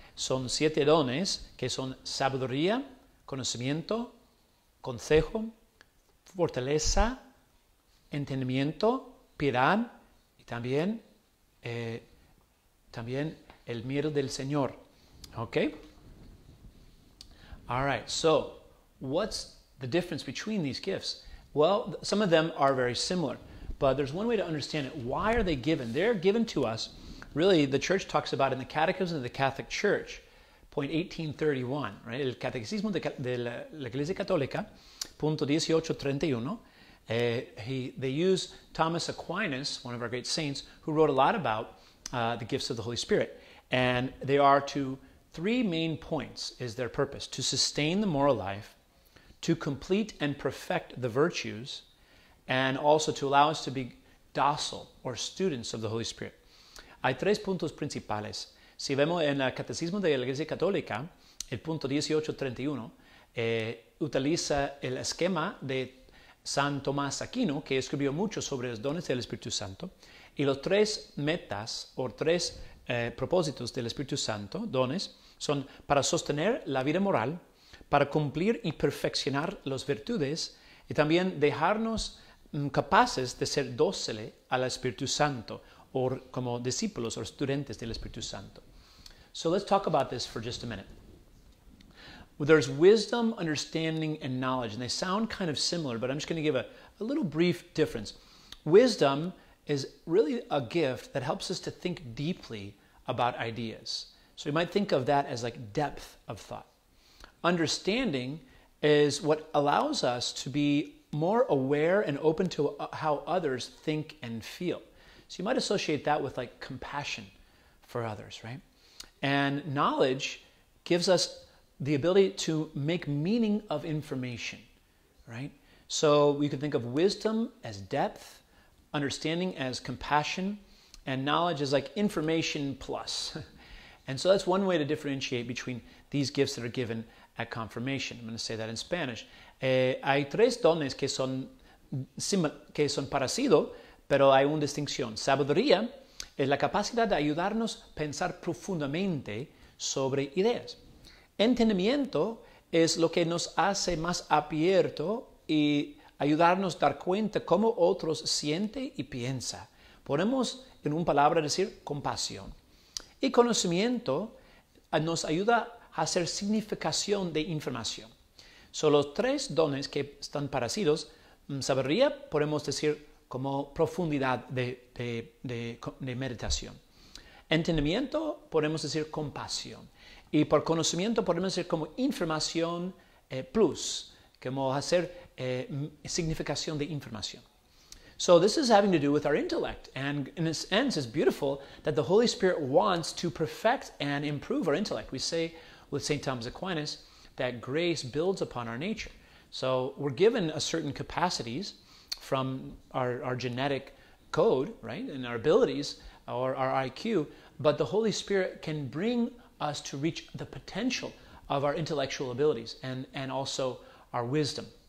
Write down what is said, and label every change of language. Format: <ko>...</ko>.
<es>Son siete dones que son sabiduría, conocimiento, consejo, fortaleza, entendimiento, piedad, y también, también el miedo del Señor.</es> <en>Okay? All right, so what's the difference between these gifts? Well, some of them are very similar, but there's one way to understand it. Why are they given? They're given to us, really, the church talks about in the Catechism of the Catholic Church, point 1831, right? El Catecismo de la Iglesia Católica, punto 1831. They use Thomas Aquinas, one of our great saints, who wrote a lot about the gifts of the Holy Spirit. And they are to three main points is their purpose: to sustain the moral life, to complete and perfect the virtues, and also to allow us to be docile or students of the Holy Spirit.</en> <es>Hay tres puntos principales. Si vemos en el Catecismo de la Iglesia Católica, el punto 1831, utiliza el esquema de San Tomás Aquino, que escribió mucho sobre los dones del Espíritu Santo, y los tres metas o tres propósitos del Espíritu Santo, dones, son para sostener la vida moral, para cumplir y perfeccionar las virtudes y también dejarnos capaces de ser dóciles al Espíritu Santo o como discípulos o estudiantes del Espíritu Santo.</es> <en>So let's talk about this for just a minute. Well, there's wisdom, understanding, and knowledge, and they sound kind of similar, but I'm just going to give a little brief difference. Wisdom is really a gift that helps us to think deeply about ideas. So you might think of that as like depth of thought. Understanding is what allows us to be more aware and open to how others think and feel. So you might associate that with like compassion for others, right? And knowledge gives us the ability to make meaning of information, right? So we can think of wisdom as depth, understanding as compassion, and knowledge as like information plus. And so that's one way to differentiate between these gifts that are given at confirmation. I'm going to say that in Spanish.</en> <es>Hay tres dones que son parecidos, pero hay una distinción. Sabiduría es la capacidad de ayudarnos a pensar profundamente sobre ideas. Entendimiento es lo que nos hace más abierto y ayudarnos a dar cuenta cómo otros sienten y piensan. Podemos, en una palabra, decir compasión. Y conocimiento nos ayuda a hacer significación de información. Son los tres dones que están parecidos. Sabiduría podemos decir como profundidad de meditación. Entendimiento podemos decir compasión. Y por conocimiento podemos decir como información plus, como hacer significación de información.</es> <en>So this is having to do with our intellect. And in a sense, it's beautiful that the Holy Spirit wants to perfect and improve our intellect. We say with St. Thomas Aquinas that grace builds upon our nature. So we're given a certain capacities from our genetic code, right, and our abilities or our IQ, but the Holy Spirit can bring us to reach the potential of our intellectual abilities and also our wisdom.</en>